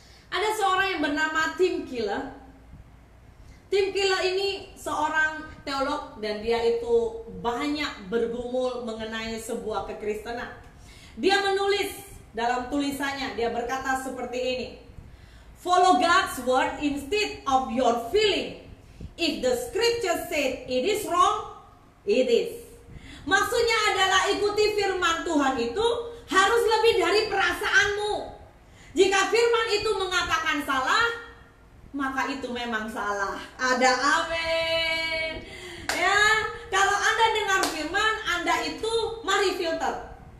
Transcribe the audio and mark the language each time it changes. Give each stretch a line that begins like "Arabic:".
Indonesian: Ada seorang yang bernama Tim Keller. Tim Keller ini seorang teolog dan dia itu banyak bergumul mengenai sebuah kekristenan. Dia menulis dalam tulisannya, dia berkata seperti ini.
English: Follow God's word instead of your feeling. If the scripture said it is wrong, it is.
Indonesian: Maksudnya adalah ikuti firman Tuhan itu harus lebih dari perasaanmu. Jika firman itu mengatakan salah, maka itu memang salah. Ada amin. Ya, kalau Anda dengar firman, Anda itu mari filter.